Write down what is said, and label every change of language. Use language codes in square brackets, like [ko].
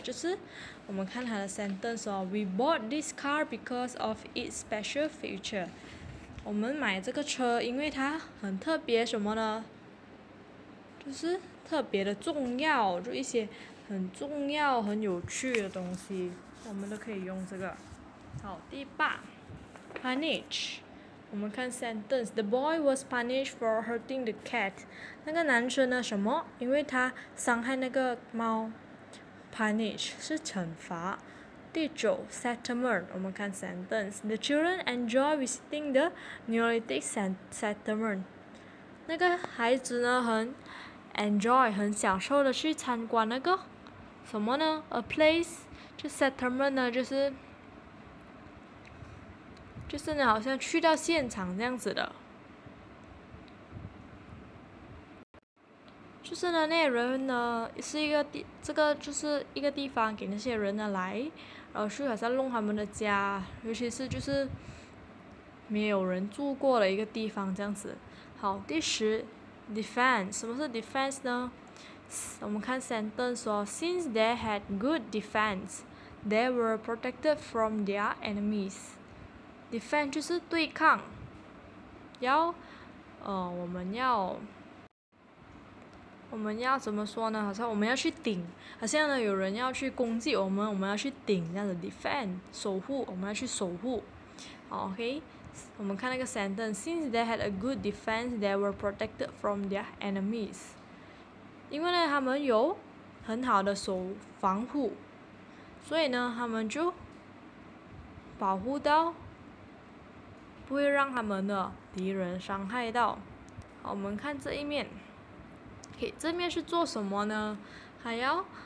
[zh] 就是我们看它的 sentence 哦 ， [en] We bought this car because of its special feature。 [zh] 我们买这个车，因为它很特别，什么呢？就是特别的重要，就一些很重要、很有趣的东西，我们都可以用这个。好，第八 ，punish。我们看 sentence， [en] The boy was punished for hurting the cat。 [zh] 那个男生呢？什么？因为他伤害那个猫。 Punish 是惩罚。第九 ，settlement 我们看 sentence。 [en] The children enjoy visiting the Neolithic settlement。 [zh] 那个孩子呢，很享受的去参观那个什么呢 ？ [en] A place， [zh] 就 settlement 呢，就是呢，好像去到现场这样子的。就是呢，那些人呢是一个地，这个就是一个地方给那些人呢来，然后去好像弄他们的家，尤其是就是没有人住过的一个地方这样子。好，第十 ，defense， 什么是 defense 呢？我们看 sentence 说 ， [en] since they had good defense， they were protected from their enemies。 [zh] defense 就是对抗，我们要怎么说呢？好像我们要去顶，好像呢有人要去攻击我们，我们要去顶这样的 defend 守护，我们要去守护。好 ，OK， 我们看那个 sentence， [en] since they had a good defense， they were protected from their enemies。 [zh] 因为呢他们有很好的守防护，所以呢他们就保护到，不会让他们的敌人伤害到。好，我们看这一面。这面是做什么呢？还要